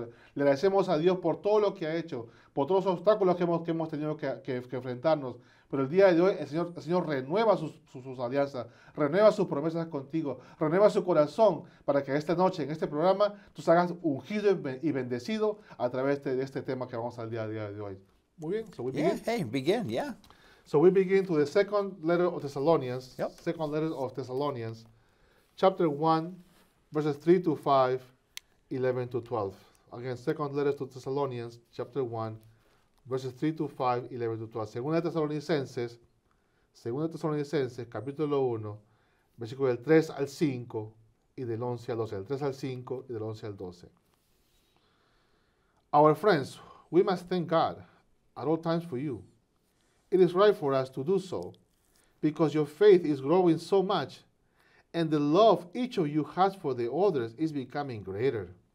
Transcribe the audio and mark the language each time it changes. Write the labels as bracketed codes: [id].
[es] Le agradecemos a Dios por todo lo que ha hecho, por todos los obstáculos que hemos tenido que enfrentarnos. Pero el día de hoy el Señor renueva sus alianzas, renueva sus promesas contigo, renueva su corazón para que esta noche, en este programa, tú salgas ungido y bendecido a través de este tema que vamos al día de hoy. Muy bien, [en] so we begin. Yeah, hey, begin, yeah. So we begin to the second letter of Thessalonians, yep. Second letter of Thessalonians, chapter 1, verses 3 to 5, 11 to 12. Again, second letter to Thessalonians, chapter 1. Verses 3 to 5, 11 to 12. [es] Segunda de Tesalonicenses, capítulo 1, versículo del 3 al 5 y del 11 al 12. Del 3 al 5 y del 11 al 12. [en] Our friends, we must thank God at all times for you. It is right for us to do so because your faith is growing so much and the love each of you has for the others is becoming greater.